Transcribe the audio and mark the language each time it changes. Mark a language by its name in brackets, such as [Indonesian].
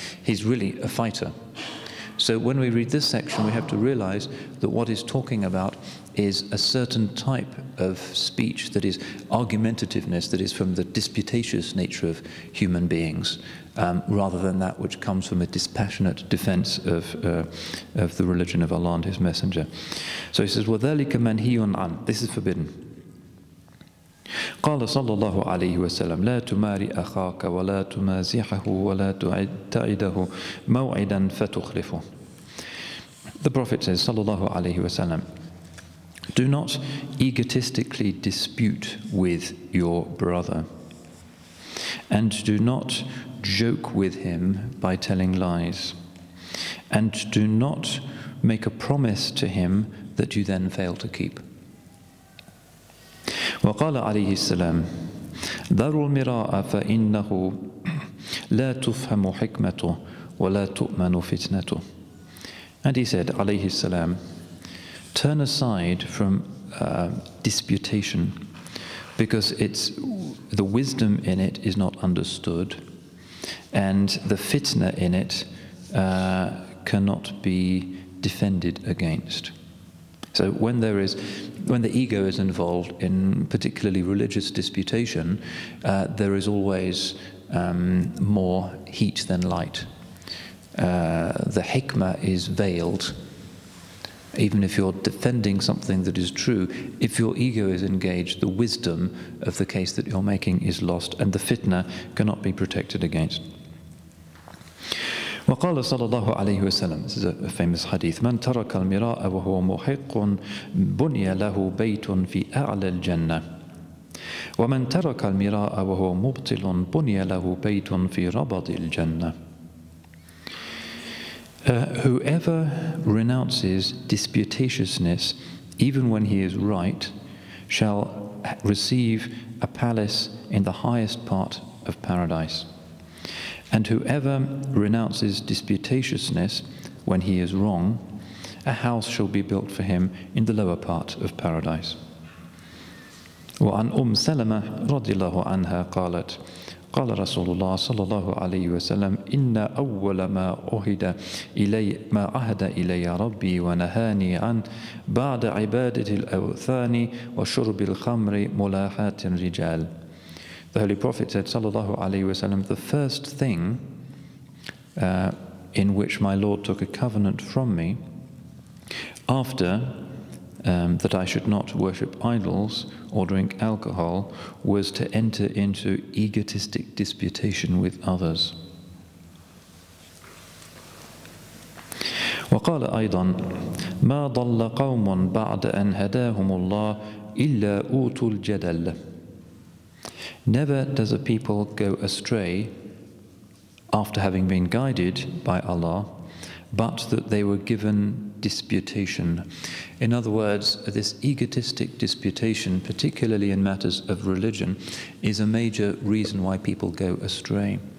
[English] He's really a fighter. So when we read this section, we have to realize that what he's talking about is a certain type of speech that is argumentativeness, that is from the disputatious nature of human beings, rather than that which comes from a dispassionate defense of the religion of Allah and his messenger. So he says, [Arabic] وَذَلِكَ مَنْهِيٌ عَنْ. [English] This is forbidden. [Arabic] قال صلى الله عليه وسلم لا تماري أخاك ولا تمازحه ولا تعده موعدا فتخلفه. [English] The Prophet says, [Arabic] صلى الله عليه وسلم, [English] do not egotistically dispute with your brother, and do not joke with him by telling lies, and do not make a promise to him that you then fail to keep. [Arabic] وقال عليه السلام ذروا المراء فإنه لا تفهم حكمته ولا تؤمن فتنته. [English] And he said, [Arabic] عليه السلام, [English] turn aside from disputation, because it's the wisdom in it is not understood, and the fitna in it cannot be defended against. So when there is, when the ego is involved in particularly religious disputation, there is always more heat than light. The hikmah is veiled. Even if you're defending something that is true, if your ego is engaged, the wisdom of the case that you're making is lost, and the fitna cannot be protected against. [Arabic] وقال صلى الله عليه وسلم, [English] this is a famous hadith, [Arabic] من ترك المراء وهو محق بني له بيت في أعلى الجنة ومن ترك المراء وهو مبطل بني له بيت في ربض الجنة. [English] Whoever renounces disputatiousness, even when he is right, shall receive a palace in the highest part of paradise. And whoever renounces disputatiousness when he is wrong, a house shall be built for him in the lower part of paradise. [Arabic] وعن أم سلمة رضي الله عنها قالت قال رسول الله صلى الله عليه وسلم إن أول ما عهد إلي ما عهد إلي ربي ونهاني عن بعد عبادة الأوثان وشرب الخمر ملاحاة الرجال. [English] The Holy Prophet said [Arabic] صلى الله عليه وسلم, [English] the first thing in which my Lord took a covenant from me after that I should not worship idols or drink alcohol was to enter into egotistic disputation with others. [Arabic] وقال أيضا ما ضل قوم بعد أن هداهم الله إلا أوتوا الجدل. [English] Never does a people go astray after having been guided by Allah, but that they were given disputation. In other words, this egotistic disputation, particularly in matters of religion, is a major reason why people go astray.